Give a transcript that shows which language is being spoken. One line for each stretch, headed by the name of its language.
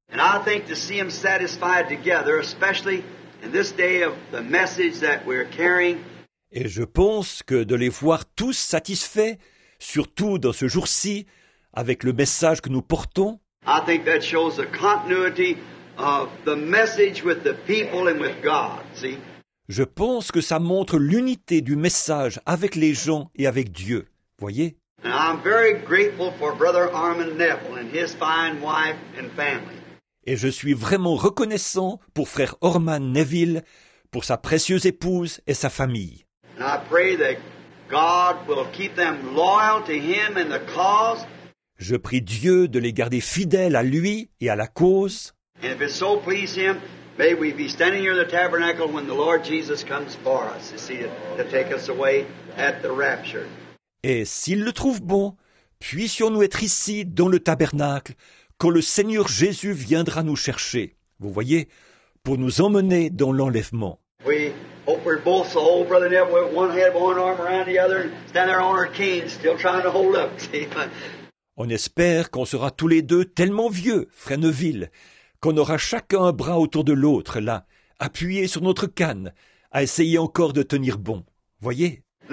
English: And I think to see them satisfied together, especially in this day of the message that we're carrying.
French: Et je pense que de les voir tous satisfaits, surtout dans ce jour-ci, avec le message que nous portons,
English: I think that shows the continuity of the message with the people and with God, see?
French: Je pense que ça montre l'unité du message avec les gens et avec Dieu, voyez?
English: And I'm very grateful for Brother Armand Neville and his fine wife and family.
French: Et je suis vraiment reconnaissant pour frère Armand Neville, pour sa précieuse épouse et sa famille.
English: And I pray that God will keep them loyal to him and the cause.
French: Je prie Dieu de les garder fidèles à lui et à la cause.
English: And if it so please him, may we be standing here in the tabernacle when the Lord Jesus comes for us, you see, to take us away at the rapture.
French: Et s'il le trouve bon, puissions-nous être ici dans le tabernacle quand le Seigneur Jésus viendra nous chercher, vous voyez, pour nous emmener dans l'enlèvement.
English: We hope we're both so old, Brother Neville, with one head, one arm around the other, and stand there on our knees, still trying to hold up, see.
French: On espère qu'on sera tous les deux tellement vieux, frère Neville, qu'on aura chacun un bras autour de l'autre, là, appuyé sur notre canne, à essayer encore de tenir bon. Voyez?